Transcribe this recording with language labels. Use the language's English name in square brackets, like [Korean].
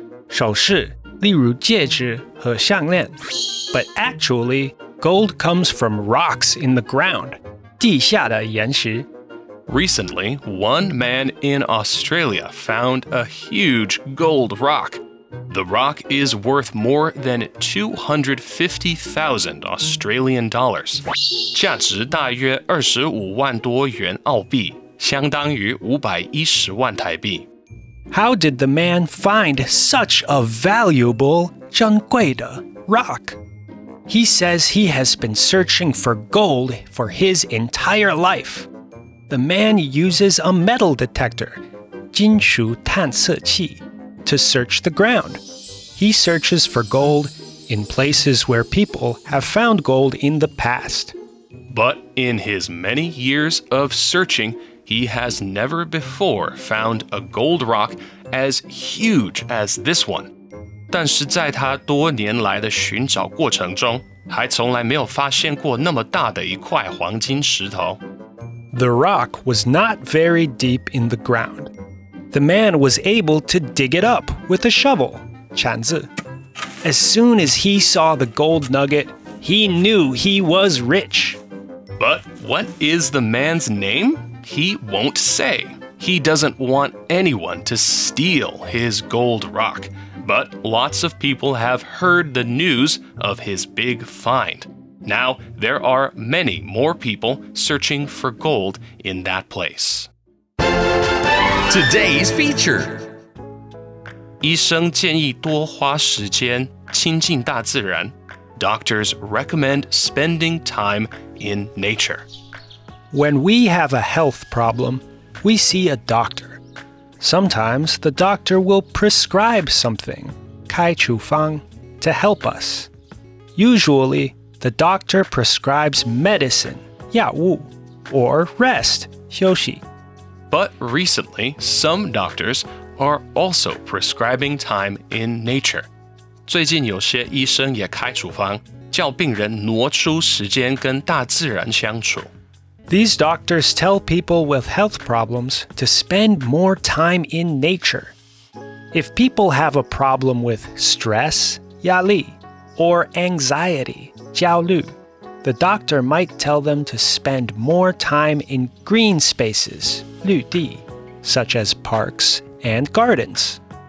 [Chinese] 首饰,例如戒指和项链. [English] But actually, gold comes from rocks in the ground, [Chinese] 地下的岩石. [English] Recently, one man in Australia found a huge gold rock. The rock is worth more than 250,000 Australian dollars. [Chinese] 价值大约25万多元澳币,相当于510万台币。 [English] How did the man find such a valuable, [Chinese] 珍贵的, [English] rock? He says he has been searching for gold for his entire life. The man uses a metal detector, [Chinese] 金属探测器。 [English] To search the ground. He searches for gold in places where people have found gold in the past. But in his many years of searching, he has never before found a gold rock as huge as this one. [Chinese] 但是在他多年来的寻找过程中，还从来没有发现过那么大的一块黄金石头。 [English] The rock was not very deep in the ground. The man was able to dig it up with a shovel, [Chinese] 铲子. [English] As soon as he saw the gold nugget, he knew he was rich. But what is the man's name? He won't say. He doesn't want anyone to steal his gold rock. But lots of people have heard the news of his big find. Now there are many more people searching for gold in that place. Today's feature. [Chinese] 医生建议多花时间亲近大自然。 [English] Doctors recommend spending time in nature. When we have a health problem, we see a doctor. Sometimes the doctor will prescribe something, [Chinese] 开处方, [English] to help us. Usually, the doctor prescribes medicine, [Chinese] 药物, [English] or rest, [Chinese] 休息. [English] But recently, some doctors are also prescribing time in nature. [Chinese] 最近有些医生也开处方，叫病人挪出时间跟大自然相处。 [English] These doctors tell people with health problems to spend more time in nature. If people have a problem with stress, [Chinese] 压力, [English] or anxiety, [Chinese] 焦虑, [English] the doctor might tell them to spend more time in green spaces, [Chinese] 绿地, [English] such as parks and gardens.